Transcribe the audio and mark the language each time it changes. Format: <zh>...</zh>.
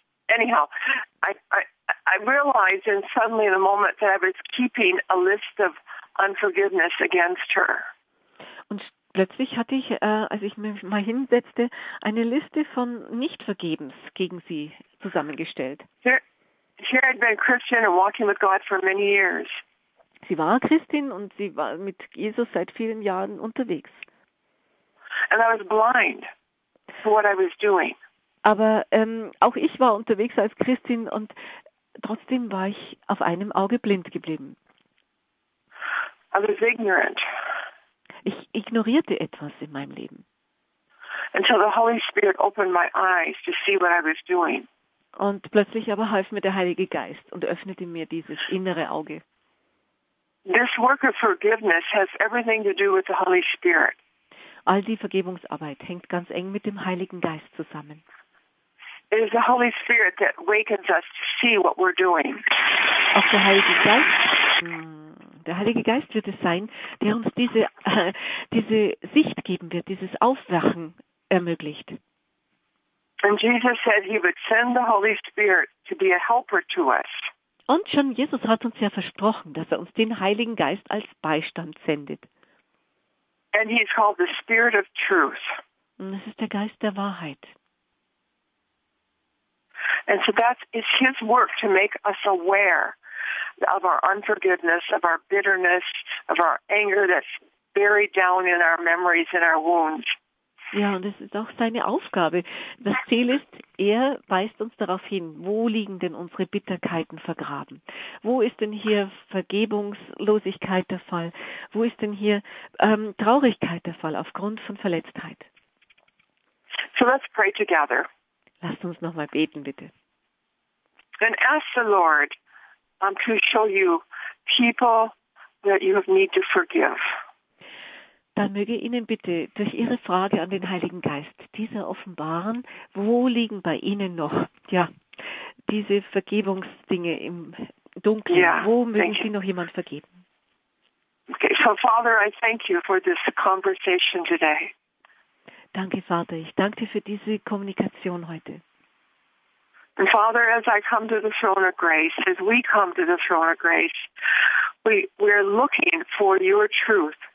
<en>I realized and suddenly in the moment that I was keeping a list of unforgiveness against her.</en> <de>Und plötzlich hatte ich, als ich mich mal hinsetzte, eine Liste von Nichtvergebens gegen sie zusammengestellt.</de> <en>She had been a Christian and walking with God for many years.</en> <de>Sie war Christin und sie war mit Jesus seit vielen Jahren unterwegs.</de> <en>And I was blind to what I was doing.</en> <de>Aber auch ich war unterwegs als Christin und trotzdem war ich auf einem Auge blind geblieben.</de> <en>I was ignorant.</en> <de>Ich ignorierte etwas in meinem Leben.</de> <en>Until the Holy Spirit opened my eyes to see what I was doing.</en> <de>Und plötzlich aber half mir der Heilige Geist und öffnete mir dieses innere Auge.</de> <en>This work of forgiveness has everything to do with the Holy Spirit.</en> <de>All die Vergebungsarbeit hängt ganz eng mit dem Heiligen Geist zusammen.</de> <en>It is the Holy Spirit that wakens us to see what we're doing.</en> <de>Auch der Heilige Geist. Der Heilige Geist wird es sein, der uns diese Sicht geben wird, dieses Aufwachen ermöglicht.</de> <en>And Jesus said he would send the Holy Spirit to be a helper to us.</en> <de>Und schon Jesus hat uns ja versprochen, dass er uns den Heiligen Geist als Beistand sendet.</de> <en>And he is called the Spirit of Truth.</en> <de>Und es ist der Geist der Wahrheit.</de> <en>And so that is his work to make us aware of our unforgiveness, of our bitterness, of our anger that's buried down in our memories and our wounds.</en> <de>Ja, und es ist auch seine Aufgabe. Das Ziel ist, er weist uns darauf hin, wo liegen denn unsere Bitterkeiten vergraben? Wo ist denn hier Vergebungslosigkeit der Fall? Wo ist denn hier Traurigkeit der Fall aufgrund von Verletztheit?</de> <en>So let's pray together.</en> <de>Lasst uns nochmal beten, bitte.</de> <en>And ask the Lord to show you people that you need to forgive.</en> <de>Dann möge Ihnen bitte durch Ihre Frage an den Heiligen Geist dieser offenbaren, wo liegen bei Ihnen noch diese Vergebungsdinge im Dunkeln, wo mögen Sie noch jemand vergeben?</de> <en>Okay, so Father, I thank you for this conversation today.</en> <de>Danke, Vater, ich danke dir für diese Kommunikation heute.</de> <en>And Father, as I come to the throne of grace, as we come to the throne of grace, we're looking for your truth.</en>